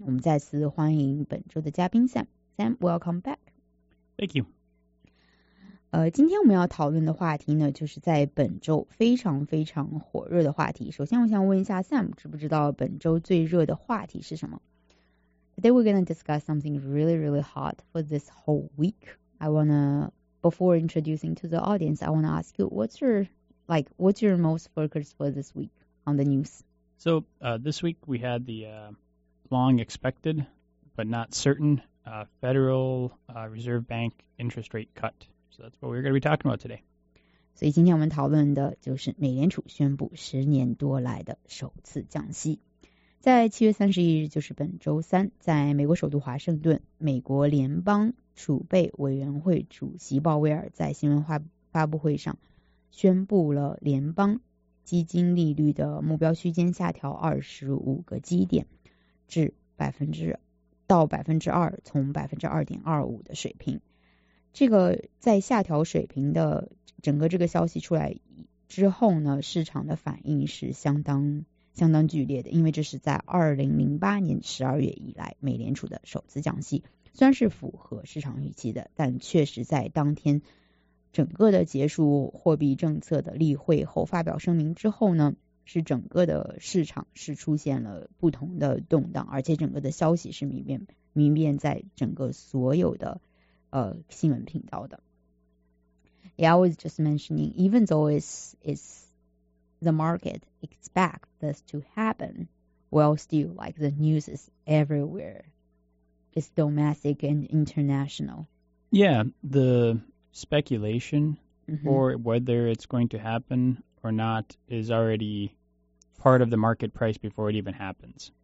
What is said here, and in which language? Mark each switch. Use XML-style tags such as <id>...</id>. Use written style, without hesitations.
<zh>我们再次欢迎本周的嘉宾 Sam。</zh> <en>Sam, welcome back. Thank you.</en> <zh>今天我们要讨论的话题呢，就是在本周非常非常火热的话题。首先，我想问一下 Sam, 知不知道本周最热的话题是什么？</zh> <en>Today we're going to discuss something really, really hot for this whole week. Before introducing to the audience, I want to ask you, what's your Like, what's your most focus for this week on the news? So this week we had the long expected, but not certain, Federal Reserve Bank interest rate cut. So that's what we're going to be talking about today.</en> <zh>所以今天我们讨论的就是美联储宣布十年多来的首次降息。在7月31日，就是本周三，在美国首都华盛顿，美国联邦储备委员会主席鲍威尔在新闻发布会上宣布了联邦基金利率的目标区间下调25个基点，至2%，从2.25%的水平。这个在下调水平的整个这个消息出来之后呢，市场的反应是相当剧烈的，因为这是在2008年12月以来美联储的首次降息，虽然是符合市场预期的，但确实在当天整个的结束货币政策的例会后发表声明之后呢，是整个的市场是出现了不同的动荡，而且整个的消息是弥遍在整个所有的新闻频道的。</zh> <en>Yeah, I was just mentioning, even though it's the market expect this to happen, well, still, like, the news is everywhere. It's domestic and international. Yeah, the speculation for whether it's going to happen or not is already part of the market price before it even happens.</en>